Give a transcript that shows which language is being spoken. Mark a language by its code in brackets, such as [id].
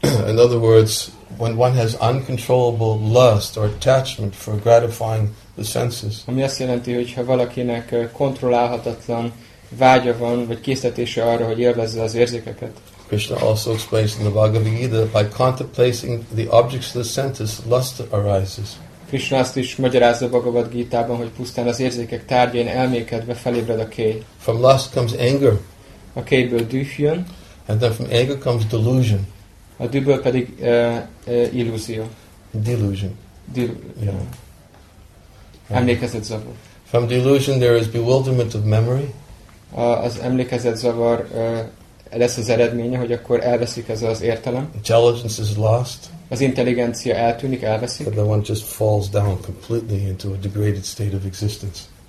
[en] In other words, when one has uncontrollable lust or attachment for gratifying the senses. [hu] Ami azt jelenti, hogy ha valakinek kontrollálhatatlan vágya van, vagy késztetése arra, hogy élvezze az érzékeket. [en] Krishna also explains in the Bhagavad Gita that by contemplating the objects of the senses, lust arises. [hu] Krishna azt is magyarázza a Bhagavad Gita-ban, hogy pusztán az érzékek tárgyain elmélkedve felébred a kéj. [en] From lust comes anger. [hu] A kéjből düh jön. [en] And then from anger comes delusion. [hu] A dühből pedig illúzió. [en] Delusion. [hu] Emlékezett zavar. [en] From delusion there is bewilderment of memory. [hu] Az emlékezett zavar lesz az eredménye, hogy akkor elveszik ez az értelem. [en] Intelligence is lost. [hu] Az intelligencia eltűnik, elveszik. [en] But the one just falls down completely into a degraded state of existence.